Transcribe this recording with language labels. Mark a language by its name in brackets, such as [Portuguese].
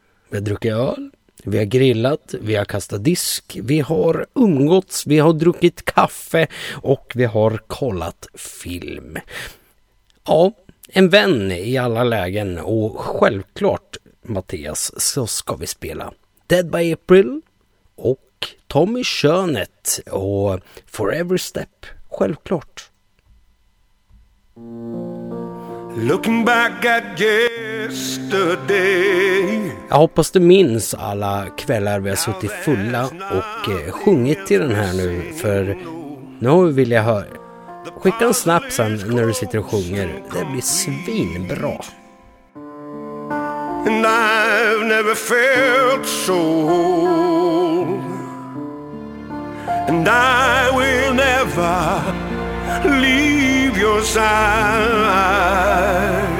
[Swedish] Vi har druckit öl, vi har grillat, vi har kastat disk, vi har umgåtts, vi har druckit kaffe och vi har kollat film. Ja, en vän i alla lägen och självklart, Mattias, så ska vi spela Dead by April och Tommy Körnet och Forever Step, självklart. [English] Looking back at yesterday. [Swedish] Jag hoppas du minns alla kvällar vi har suttit fulla och sjungit till den här nu, för nu vill jag höra. Skicka en snap sen när du sitter och sjunger. Det blir svinbra. [English] And I've never felt so whole. And I will never leave your side.